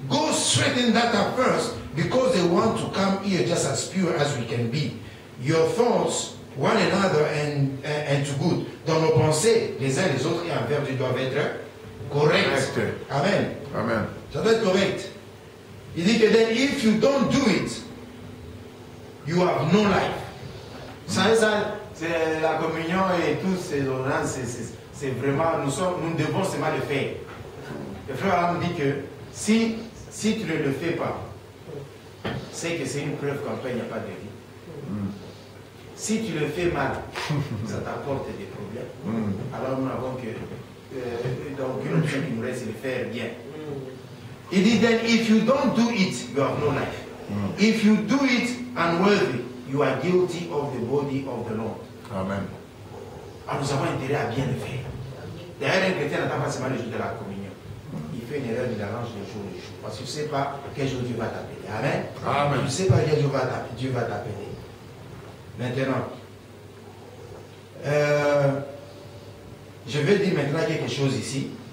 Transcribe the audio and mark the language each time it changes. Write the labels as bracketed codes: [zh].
[en] Go straighten that up first because they want to come here just as pure as we can be. Your thoughts, one another, and to good. [fr] Dans nos pensées, les uns les autres et envers Dieu doivent être corrects. Amen. Amen. Ça doit être correct. Il dit que [en] then if you don't do it, you have no life. [fr] Ça, c'est la communion et tous ces ordonnances. C'est vraiment, nous devons seulement le faire. Le frère Abraham dit que si tu ne le fais pas, c'est que c'est une preuve qu'en toi, il n'y a pas de vie. Si tu le fais mal, ça t'apporte des problèmes. Alors nous n'avons que une option qui nous reste, c'est de faire bien. Il dit, [en] then, if you don't do it, you have no life. If you do it unworthy, you are guilty of the body of the Lord. Amen. [fr] Alors nous avons intérêt à bien le faire. D'ailleurs, un chrétien n'attend pas seulement le jour de la communion. Il fait une erreur, il arrange les jours. Parce que tu ne sais pas quel jour Dieu va t'appeler. Amen. Amen. Tu ne sais pas quel jour Dieu va t'appeler. Maintenant, je vais dire maintenant quelque chose ici.